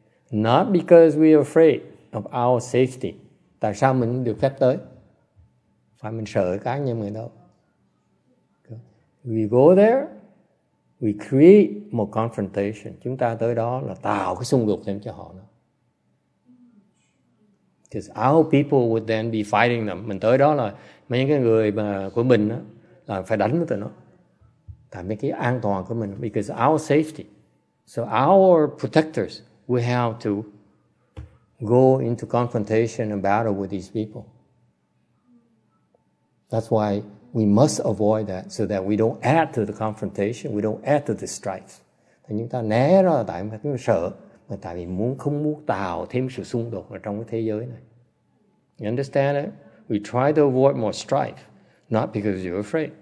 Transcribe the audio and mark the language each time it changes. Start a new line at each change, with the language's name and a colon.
English: Not because we're afraid of our safety.
Vietnamese: Tại sao mình được phép tới? Phải mình sợ cá nhân mình đâu.
English: We go there, we create more confrontation.
Vietnamese: Chúng ta tới đó là tạo cái xung đột thêm cho họ nữa.
English: Because our people would then be fighting them.
Vietnamese: Mình tới đó là mấy cái người mà của mình đó, là phải đánh với tụi nó. Tại mấy cái an toàn của mình.
English: Because our safety. So our protectors, we have to go into confrontation and battle with these people. That's why we must avoid that so that we don't add to the confrontation, we don't add to the strife.
Vietnamese: Thì chúng ta né đó là tại chúng ta sợ, mà tại vì muốn không muốn tạo thêm sự xung đột ở trong cái thế giới này.
English: You understand it? We try to avoid more strife, not because you're afraid.